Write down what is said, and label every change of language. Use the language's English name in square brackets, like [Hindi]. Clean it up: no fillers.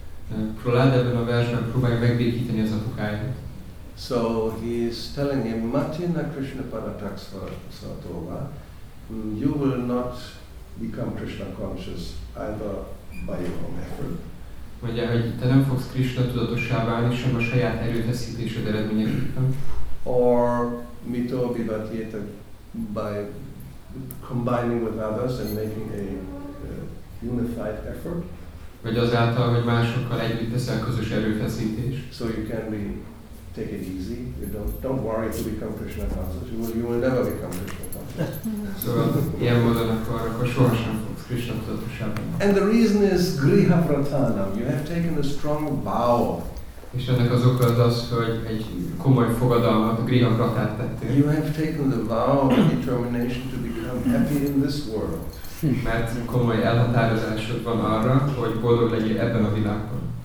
[Hungarian] Prahlad ebben a versben próbálja megbékíteni az apukáját. [English] So he is telling him, [Sanskrit] Matina Krishna Parataksvatova, [English] you will not become Krishna conscious either by your own effort. [Hungarian] Mondja, hogy te nem fogsz Krishna tudatossá válni, sem a saját erőfeszítésed eredményeképpen. [English] Or [Sanskrit] mito vivatyeta [English] by combining with others and making a unified effort. [Hungarian] Vagy azáltal, hogy másokkal együtt teszel közös erőfeszítés. [English] So you can be, take it easy. You don't worry to become Krishna conscious. You will never become Krishna conscious. [Hungarian] Szóval ilyen módon akkor sohasem fogsz Krishna tudatossá válni. [English] And the reason is griha pratanam. You have taken a strong vow. [Hungarian] És ennek az oka az, hogy egy komoly fogadalmat, griha pratát tettél. [English] You have taken the vow of determination to become happy in this world. [Hungarian] Mert komoly elhatározásod van arra, hogy boldog legyél ebben a világban.